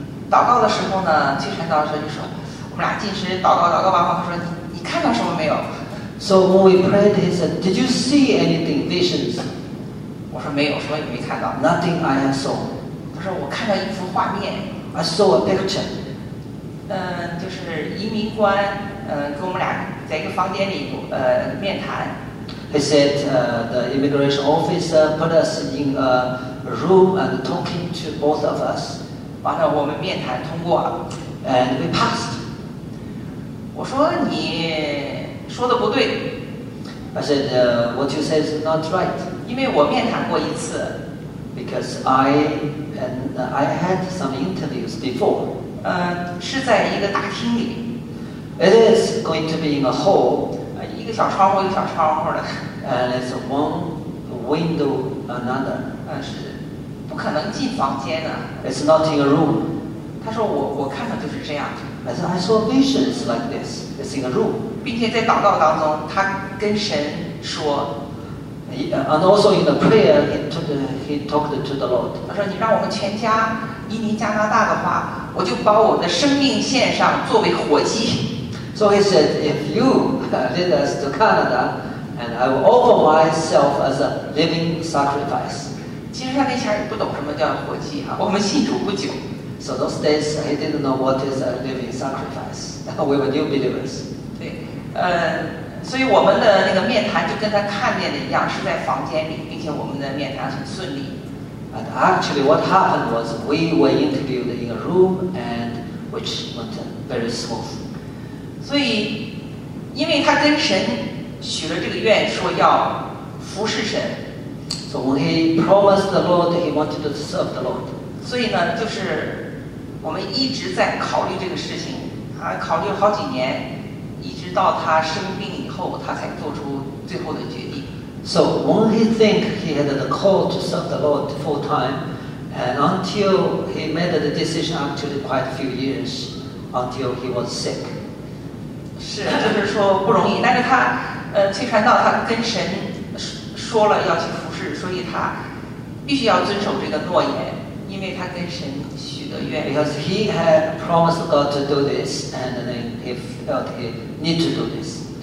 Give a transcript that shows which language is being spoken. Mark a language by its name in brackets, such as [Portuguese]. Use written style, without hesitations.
[Chinese] 祷告的时候呢，崔传道说就说，我们俩尽职祷告，祷告完后他说你看到什么没有 [English] ？So when we prayed, he said, "Did you see anything visions?" [Chinese] 我说没有，什么也没看到。 [English] Nothing I saw. [Chinese] 他说我看到一幅画面。 [English] I saw a picture. [Chinese] 就是移民官，跟我们俩在一个房间里，面谈。 [English] He said, the immigration officer put us in a room and talking to both of us. [Chinese] 完了，我们面谈通过了。 [English] And we passed. [Chinese] 我说你说的不对。 [English] I said, what you say is not right. [Chinese] 因为我面谈过一次。 [English] Because I had some interviews before. [Chinese] 是在一个大厅里。 [English] It is going to be in a hall. [Chinese] 一个小窗户，一个小窗户的。 [English] And it's one window another. [Chinese] 是不可能进房间的。 [English] It's not in a room. [Chinese] 他说我看到就是这样。 [English] I said I saw visions like this. It's in a room. [Chinese] 并且在祷告当中，他跟神说。 [English] And also in the prayer, he talked to the Lord. [Chinese] 他说你让我们全家移民加拿大的话，我就把我的生命献上作为活祭。 [English] So he said, if you lead us to Canada, and I will offer myself as a living sacrifice. [Chinese] 其实他那下也不懂什么叫活祭啊，我们信主不久。 [English] So those days he didn't know what is a living sacrifice. We were new believers. [Chinese] 对，所以我们的那个面谈就跟他看见的一样，是在房间里，并且我们的面谈很顺利。 [English] But actually what happened was we were interviewed in a room and which went very smooth. [Chinese] 所以因为他跟神许了这个愿说要服侍神。 [English] So when he promised the Lord, he wanted to serve the Lord. [Chinese] 所以呢就是我们一直在考虑这个事情啊，考虑了好几年，一直到他生病以后他才做出最后的决定。 [English] So when he think he had the call to serve the Lord full time, and until he made the decision actually quite a few years until he was sick. [Chinese] 是，就是说不容易。但是他，崔传道他跟神说了要去服侍，所以他必须要遵守这个诺言，因为他跟神许的愿。 [English] Because he had promised God to do this, and then he felt he need to do this.